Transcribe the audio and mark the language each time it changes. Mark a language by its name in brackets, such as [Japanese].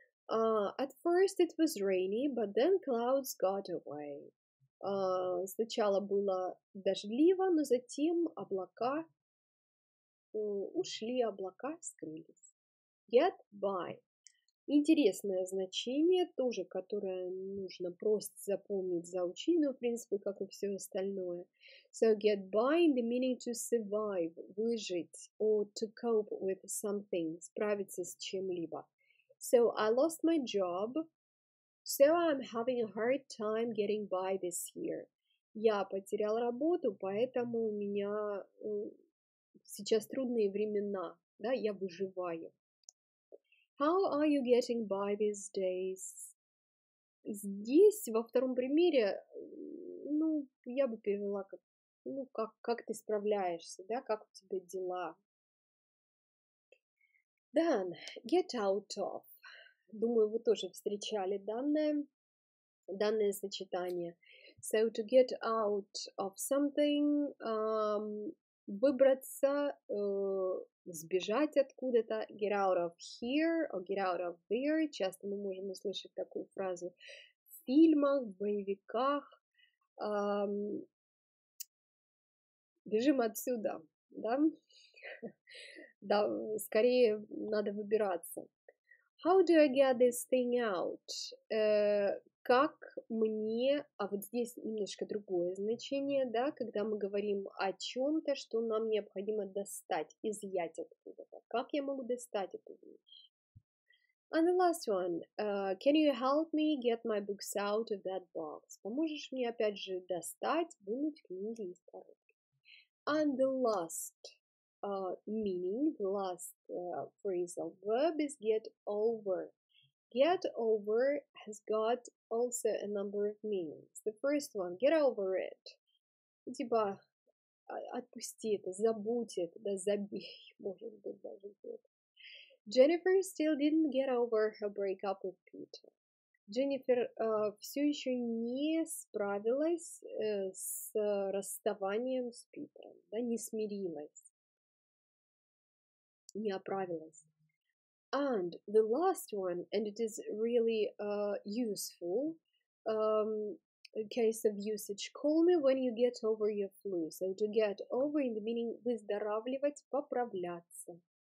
[English] At first it was rainy, but then clouds got away. [Russian] Сначала было дождливо, но затем облака ушли, облака скрылись. [English] Get by. [Russian] Интересное значение тоже, которое нужно просто запомнить, заучить, ну, в принципе, как и все остальное. [English] So get by in the meaning to survive, [Russian] выжить, [English] or to cope with something, [Russian] справиться с чем-либо. [English] So I lost my job. So I'm having a hard time getting by this year. [Russian] Я потерял работу, поэтому у меня сейчас трудные времена, да, я выживаю. [English] How are you getting by these days? [Russian] Здесь, во втором примере, ну, я бы перевела как, ну, как ты справляешься, да, как у тебя дела. [English] Then, get out of. [Russian] Думаю, вы тоже встречали данное сочетание. [English] So, to get out of something, [Russian] выбраться, сбежать откуда-то. [English] Get out of here or get out of there. [Russian] Часто мы можем услышать такую фразу в фильмах, в боевиках. Бежим отсюда, да? Да, скорее надо выбираться. [English] How do I get this thing out? [Russian] Как мне, а вот здесь немножко другое значение, да, когда мы говорим о чем-то, что нам необходимо достать, изъять откуда-то. Как я могу достать эту вещь? [English] And the last one. Can you help me get my books out of that box? [Russian] Поможешь мне опять же достать, вынуть книги из коробки? [English] And the last meaning, the last phrase of verb is get over. Get over has got also a number of meanings. The first one, get over it. [Russian] Типа, отпусти это, забудь это, да, забей, может быть, даже где-то. [English] Jennifer still didn't get over her breakup with Peter. [Russian] Дженнифер все еще не справилась с расставанием с Питером, да, не смирилась, не оправилась. [English] And the last one, and it is really useful case of usage. Call me when you get over your flu. So to get over in the meaning [Russian] выздоравливать, поправляться.